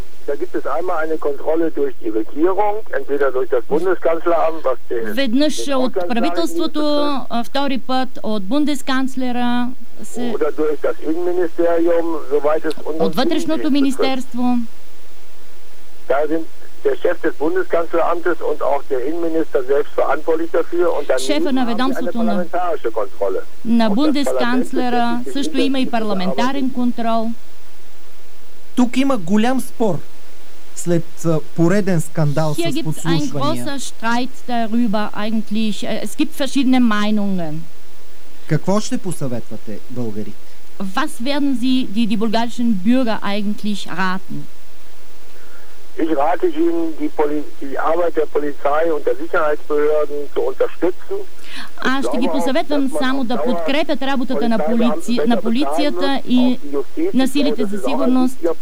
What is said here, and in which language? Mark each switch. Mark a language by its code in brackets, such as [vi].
[de] Da gibt es einmal eine Kontrolle durch die Regierung, entweder durch das Bundeskanzleramt, was den [bg] веднъж от правителството, втори път от Бундесканцлера, [de] oder durch das Innenministerium, soweit es unter [bg] от вътрешното министерство. [de] Da sind der Chef des Bundeskanzleramtes und auch der Innenminister selbst verantwortlich dafür und dann haben wir eine parlamentarische Kontrolle. [bg] На Бундесканцлера също има и парламентарен контрол. Тук има голям спор след пореден скандал с подслушвания. Какво ще посъветвате българите? [de] Was werden Sie die bulgarischen Bürger eigentlich raten? Ich rate Ihnen, die Arbeit der Polizei und der Sicherheitsbehörden zu unterstützen. [bg] Аз ще ги посъветвам само да подкрепят работата на полицията и на силите за сигурност.